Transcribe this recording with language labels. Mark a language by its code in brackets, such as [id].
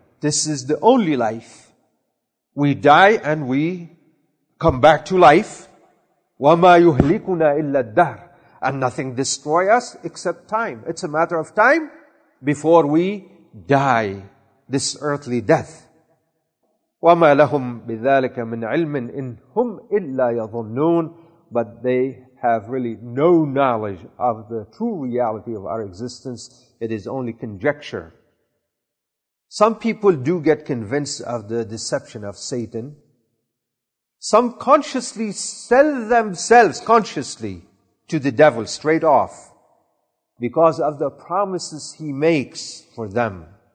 [en] This is the only life. We die and we come back to life. [ar] وَمَا يُهْلِكُنَا إِلَّا الدَّهْرِ. [en] And nothing destroys us except time. It's a matter of time before we die this earthly death. [ar] وما لهم بذلك من علم إن هم إلا يظنون. [en] But they have really no knowledge of the true reality of our existence. It is only conjecture. Some people do get convinced of the deception of Satan. Some consciously sell themselves consciously to the devil straight off because of the promises he makes for them.